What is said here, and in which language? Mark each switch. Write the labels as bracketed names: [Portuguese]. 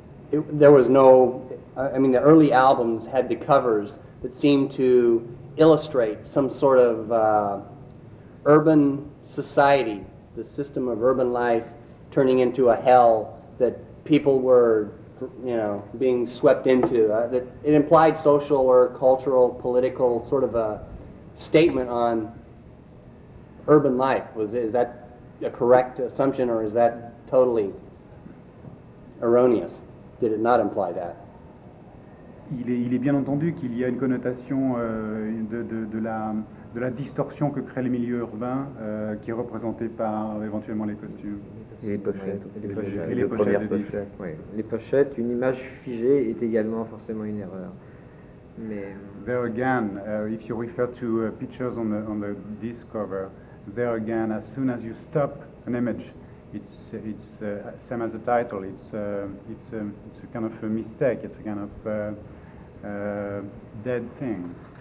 [English] The early albums had the covers that seemed to illustrate some sort of urban society, the system of urban life turning into a hell that people were, being swept into. That it implied social or cultural, political sort of a statement on urban life. Is that a correct assumption, or is that totally erroneous? Did it not imply that? [French] Il est bien entendu qu'il y a une connotation de la distorsion que crée le milieu urbain qui est représenté par éventuellement les costumes. Et les pochettes. Oui, les pochettes. Les pochettes, une image figée est également forcément une erreur. Mais [English] there again, if you refer to pictures on the disc cover, there again, as soon as you stop an image, it's same as the title. It's a kind of a mistake. It's a kind of dead thing.